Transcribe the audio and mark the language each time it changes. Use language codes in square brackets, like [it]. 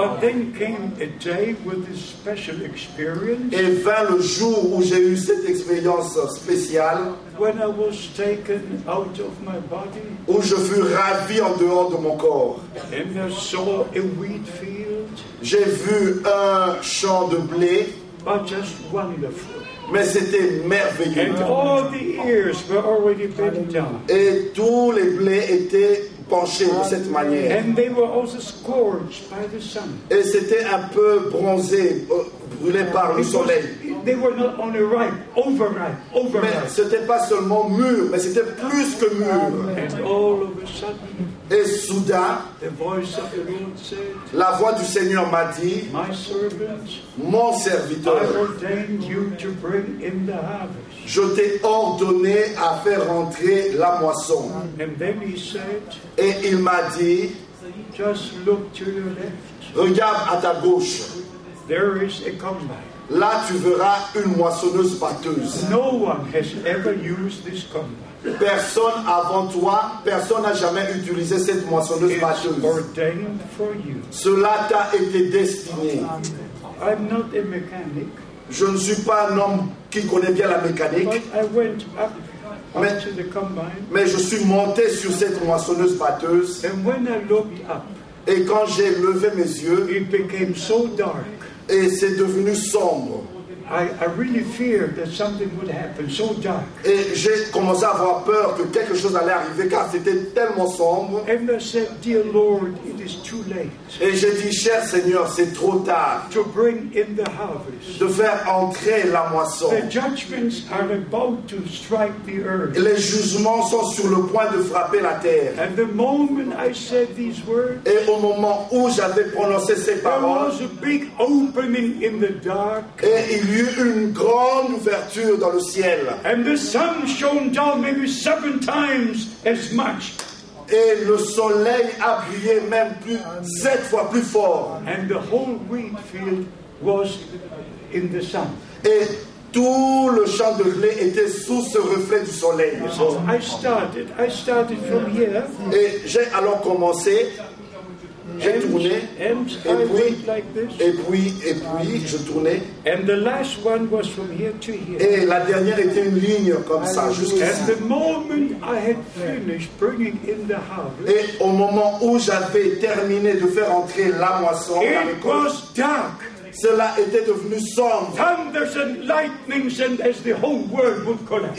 [en] Then came a day with this special experience. [fr] Et vint le jour où j'ai eu cette expérience spéciale. [en] When I was taken out of my body. [fr] Où je fus ravi en dehors de mon corps. [en] And I saw a wheat field. [fr] J'ai vu un champ de blé. [en] But just wonderful. [fr] Mais c'était merveilleux. [en] And all the ears were already bent down. [fr] Et tous les blés étaient penchés de cette manière. [en] And they were also scorched by the sun. [fr] Et c'était un peu bronzé, brûlé par le soleil. [en] They were not only ripe, overripe, overripe. [fr] Mais c'était pas seulement mûr, mais c'était plus que mûr. [en] And all of a sudden, [fr] et soudain, [en] the voice of the Lord said, [fr] la voix du Seigneur m'a dit, [en] my servant, [fr] mon serviteur, [en] I ordained you to bring in the harvest. [fr] Je t'ai ordonné à faire rentrer la moisson. [en] And then he said, [fr] et il m'a dit, [en] just look to your left. [fr] Regarde à ta gauche. [en] There is a combine. [fr] Là, tu verras une moissonneuse batteuse. [en] No one has ever used this combine. [fr] Personne avant toi, personne n'a jamais utilisé cette moissonneuse batteuse. [en] Ordained for you. [fr] Cela t'a été destiné. [en] I'm not a mechanic. [fr] Je ne suis pas un homme qui connaît bien la mécanique. [en] But I went up, to the combine. [fr] Mais je suis monté sur cette moissonneuse batteuse. [en] And when I looked up, [fr] et quand j'ai levé mes yeux, [en] it became so dark. [fr] Et c'est devenu sombre. [en] I really feared that something would happen, so dark. [fr] Et j'ai commencé à avoir peur que quelque chose allait arriver car c'était tellement sombre. [en] And I said, dear Lord, it is too late. [fr] Et j'ai dit, cher Seigneur, c'est trop tard. [en] To bring in the harvest. [fr] De faire entrer la moisson. [en] The judgments are about to strike the earth. [fr] Les jugements sont sur le point de frapper la terre. [en] And the moment I said these words, [fr] et au moment où j'avais prononcé ces paroles, [en] there was a big opening in the dark. [fr] Et il y eut une grande ouverture dans le ciel. [en] And the sun shone down maybe seven times as much. [fr] Et le soleil a brillé même plus, sept fois plus fort. [en] And the whole wheat field was in the sun. [fr] Et tout le champ de blé était sous ce reflet du soleil. [en] I started from here. [fr] Et j'ai alors commencé. J'ai tourné, et puis, je tournais. [en] And the last one was from here to here. [fr] Et la dernière était une ligne comme ça, jusqu'ici. [en] And the moment I had finished bringing in the harvest, [fr] et au moment où j'avais terminé de faire entrer la moisson, [en] it was dark. [fr] Cela était devenu sombre. [en] Thunders and lightnings, and as the whole world would collapse.